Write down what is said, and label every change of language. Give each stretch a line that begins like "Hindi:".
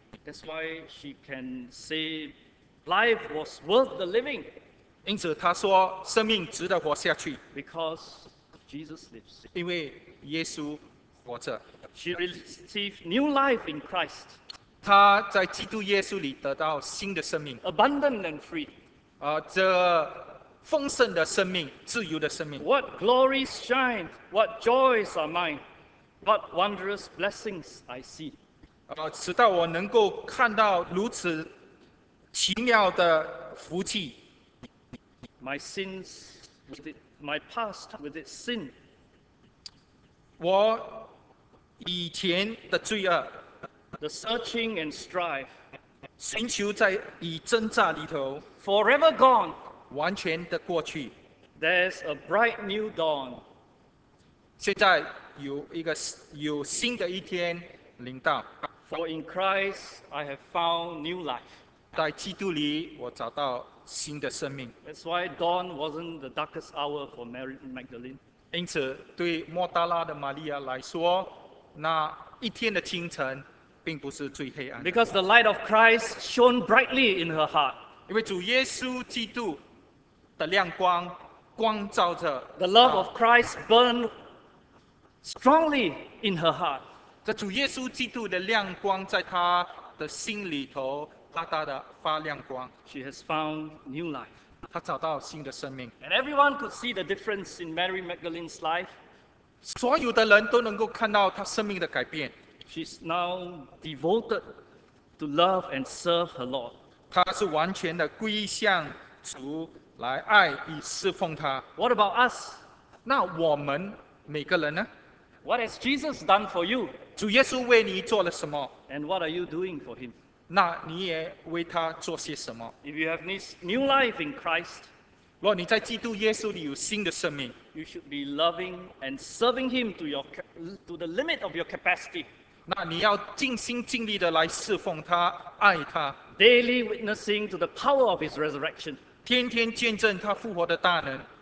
English: That's why she can say life was worth the living.
Chinese: 因此她说生命值得活下去。
English: Because Jesus lives.
Chinese: 因为耶稣活着。
English: She received new life in Christ.
Chinese: 她在基督耶稣里得到新的生命。
English: Abundant and free.
Chinese: 这丰盛的生命，自由的生命。
English: What glories shine, what joys are mine. What wondrous blessings I see.
Chinese: 使到我能够看到如此奇妙的福气。
English: My sins, with it, my past with its sin.
Chinese: 我以前的罪恶。
English: The searching and strife.
Chinese: 寻求在以挣扎里头。
English: Forever gone.
Chinese: 完全的过去。
English: There's a bright new dawn.
Chinese: 现在有一个有新的一天临到。
English: For in Christ I have found new life.
Chinese: 在基督里我找到新的生命。
English: That's why dawn wasn't the darkest hour for Mary Magdalene.
Chinese: 因此对抹大拉的玛利亚来说，那一天的清晨并不是最黑暗的。
English: Because the light of Christ shone brightly in her heart.
Chinese: 因为主耶稣基督的亮光光照着。
English: The love of Christ burned strongly in her heart.
Chinese: 这主耶稣基督的亮光在她的心里头大大的发亮光。
English: She has found new life.
Chinese: 她找到新的生命。
English: And everyone could see the difference in Mary Magdalene's life.
Chinese: 所有的人都能够看到她生命的改变。
English: She's now devoted to love and serve her Lord.
Chinese: 她是完全的归向主来爱与侍奉她。
English: What about us?
Chinese: 那我们每个人呢？
English: What has Jesus done for you?
Chinese: 主耶稣为你做了什么？
English: And what are you doing for him?
Chinese: 那你也为他做些什么？
English: If you have new life in Christ,
Chinese: 如果你在基督耶稣里有新的生命，
English: you should be loving and serving him to the limit of your capacity.
Chinese: 那你要尽心尽力的来侍奉他，爱他。
English: Daily witnessing to the power of his resurrection.
Chinese: 天天见证他复活的大能。